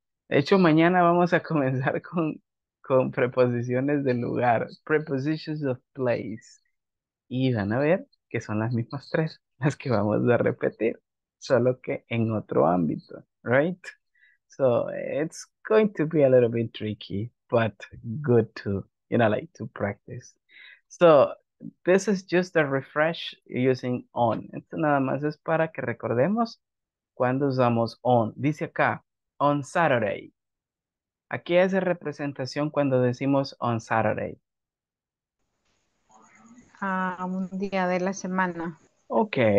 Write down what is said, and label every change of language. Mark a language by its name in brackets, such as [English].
[Spanish] De hecho, mañana vamos a comenzar con preposiciones de lugar. Prepositions of place. Y van a ver que son las mismas tres las que vamos a repetir, solo que en otro ámbito, right? [English] So, it's going to be a little bit tricky, but good to, you know, like, to practice. So, this is just a refresh using on. [Spanish] Esto nada más es para que recordemos cuando usamos on. Dice acá, on Saturday. ¿A qué hace representación cuando decimos on Saturday? A un día de la semana. Ok.